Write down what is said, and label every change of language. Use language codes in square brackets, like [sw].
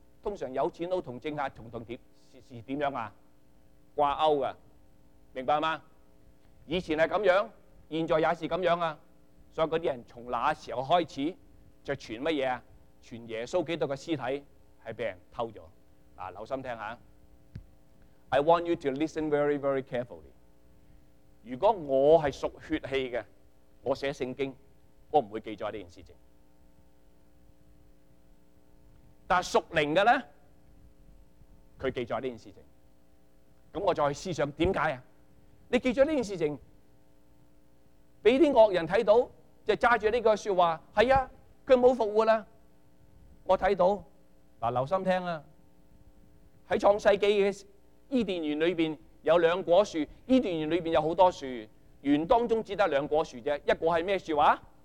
[yue] 通常有钱佬同政客同点是点样啊？挂钩噶，明白吗？以前系咁样，现在也是咁样啊！所以嗰啲人从那时候开始就传乜嘢啊？传耶稣基督嘅尸体系被人偷咗。嗱，留心听下。 [en] I want you to listen very, very carefully. [yue] 如果我是属血气的，我写圣经，我不会记载这件事情。但属灵的呢，他记载这件事情。那我再思想，为什么？你记载这件事情，被那些恶人看到，就揸着这个说话，是啊，他没有复活了。我看到，留心听啊，在创世纪的伊甸园里面有两果树，伊甸园里面有很多树，园当中只得两果树，一果是什么树？